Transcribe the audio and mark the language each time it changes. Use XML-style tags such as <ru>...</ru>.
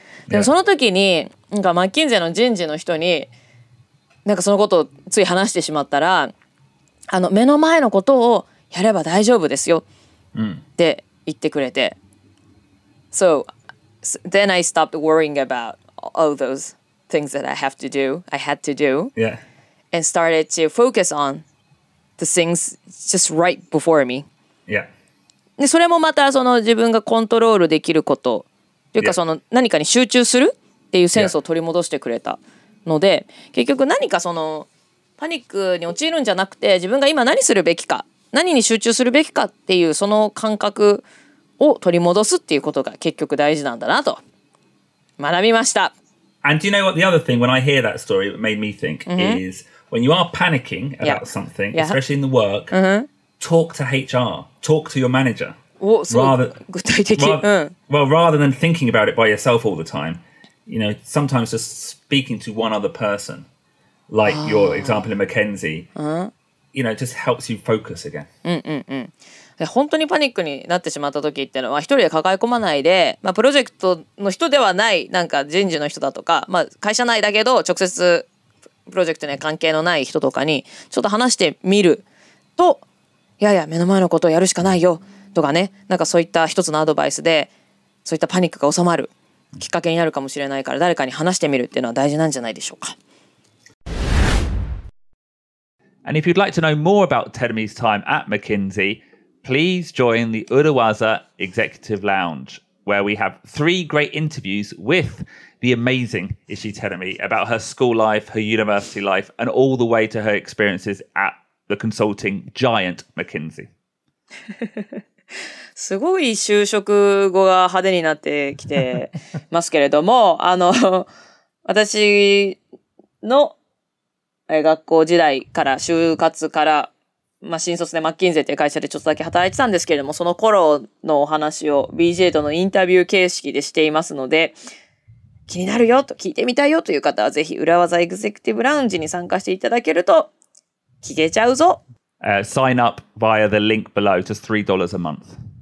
<ja>でもその時に、なんかマッキンゼの人事の人に、なんかそのことをつい話してしまったら、あの目の前のことをやれば大丈夫ですよって言ってくれて、</ja> <en>So then I stopped worrying about all those things that I have to do,</en> <ja>I had to do,</ja> <en>yeah, and started to focus on the things just right before me. Yeah.</en> <ja>でそれもまたその自分がコントロールできること、というかその何かに集中するっていうセンスを取り戻してくれたので、結局何かそのパニックに陥るんじゃなくて、自分が今何するべきか、何に集中するべきかっていうその感覚を取り戻すっていうことが結局大事なんだなと学びました。</ja> <en>And do you know what the other thing when I hear that story that made me think、mm-hmm. is when you are panicking about、yeah. something,、yeah. especially in the work,、 mm-hmm. talk to HR, talk to your manager. Rather than thinking about it by yourself all the time, you know, sometimes just speaking to one other person, like、oh. your example in Mackenzie,、 uh-huh. you know, just helps you focus again.</en> <ja>で本当にパニックになってしまった時っていうのは、一人で抱え込まないで、まあ、プロジェクトの人ではないなんか人事の人だとか、まあ、会社内だけど直接プロジェクトには関係のない人とかにちょっと話してみると、いやいや目の前のことをやるしかないよとかね、なんかそういった一つのアドバイスでそういったパニックが収まるきっかけになるかもしれないから、誰かに話してみるっていうのは大事なんじゃないでしょうか。</ja> <en>And if you'd like to know more about Teremy's time at McKinsey,Please join the Urawaza Executive Lounge, where we have three great interviews with the amazing Ishii Teremy about her school life, her university life, and all the way to her experiences at the consulting giant McKinsey.</en> <ja>すごい就職後が派手になってきてますけれども、あの、私の学校時代から就活からまあ、新卒でマッキンゼっていう会社でちょっとだけ働いてたんですけれども、その頃のお話を BJ とのインタビュー形式でしていますので、気になるよと聞いてみたいよという方は、ぜひ裏技エグゼクティブラウンジに参加していただけると聞けちゃうぞ。</ja> <en>Sign up via the link below, just $3 a month.</en>